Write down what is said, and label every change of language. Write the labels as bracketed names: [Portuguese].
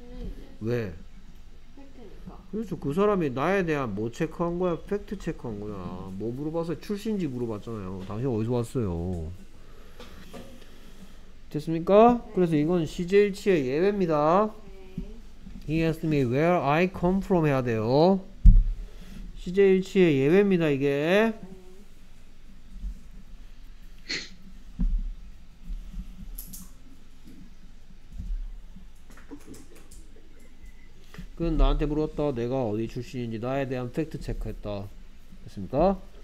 [Korean] 네. 왜? 팩트니까. 그렇죠. 그 사람이 나에 대한 뭐 체크한 거야? 팩트 체크한 거야. 뭐 물어봐서 출신지 물어봤잖아요. 당신 어디서 왔어요? 됐습니까? 네. 그래서 이건 시제일치의 예외입니다. [English] He asked me where I come from [Korean] 해야 돼요. 시제일치의 예외입니다 이게. 그건 나한테 물었다. 내가 어디 출신인지 나에 대한 팩트 체크했다. 됐습니까?